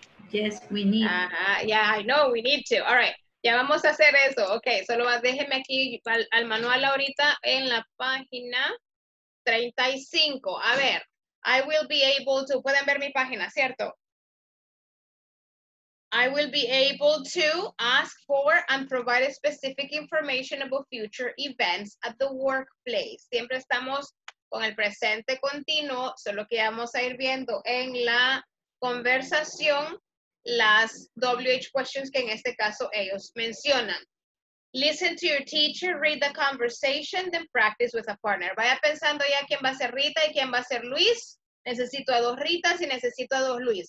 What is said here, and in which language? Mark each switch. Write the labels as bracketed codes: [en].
[en] Yes, we need. Yeah, I know, we need to. All right, [es] ya vamos a hacer eso. Ok, solo déjeme aquí al manual ahorita en la página 35. A ver, [en] I will be able to, [es] pueden ver mi página, ¿cierto? [en] I will be able to ask for and provide specific information about future events at the workplace. [es] Siempre estamos con el presente continuo, solo que vamos a ir viendo en la conversación las WH questions que en este caso ellos mencionan. [en] Listen to your teacher, read the conversation, then practice with a partner. [es] Vaya pensando ya quién va a ser Rita y quién va a ser Luis. Necesito a dos Ritas y necesito a dos Luis.